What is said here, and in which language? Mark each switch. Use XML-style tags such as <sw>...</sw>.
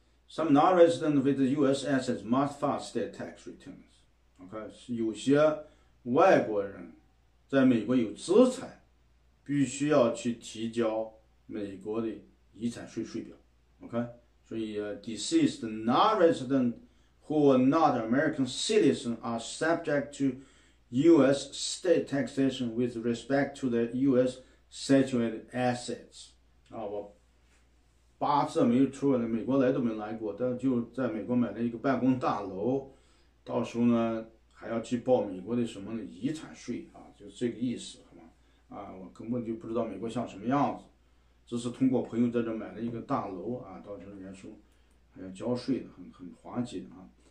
<en>Some non-resident with the U.S. assets must file state tax returns.</en> <zh>OK，有些外国人在美国有资产，必须要去提交美国的遗产税税表。</zh> <en>OK，所以deceased non-resident who are not American citizens are subject to U.S. state taxation with respect to the U.S. situated assets.</en> <zh>八次没有出来，美国来都没来过，但就在美国买了一个办公大楼，到时候呢还要去报美国的什么呢？遗产税啊，就这个意思，好吗？我根本就不知道美国像什么样子，只是通过朋友在这买了一个大楼啊，到时候人家说还要交税的，很滑稽啊。</zh>